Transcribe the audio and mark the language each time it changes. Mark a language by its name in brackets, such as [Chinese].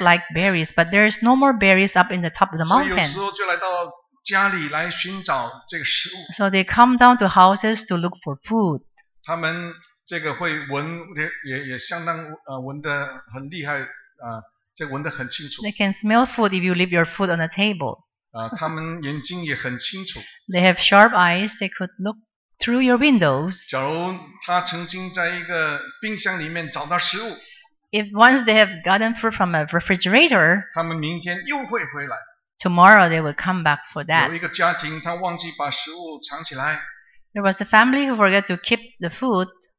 [English] like berries, but there is no more berries up in the top of the mountain. [Chinese] 所以有时候就来到家里来寻找这个食物。 [English] So they come down to houses to look for food. [Chinese] 他们 这个会闻也相当闻得很厉害，这闻得很清楚。 [English] They can smell food if you leave your food on the table. [Chinese] 他们眼睛也很清楚。 [English] They have sharp eyes. They could look through your windows. [Chinese] 假如他曾经在一个冰箱里面找到食物。 [English] If once they have gotten food from a refrigerator, [Chinese] 他们明天又会回来。 [English] Tomorrow they will come back for that. [Chinese] 有一个家庭他忘记把食物藏起来。 [English] There was a family who forgot to keep the food.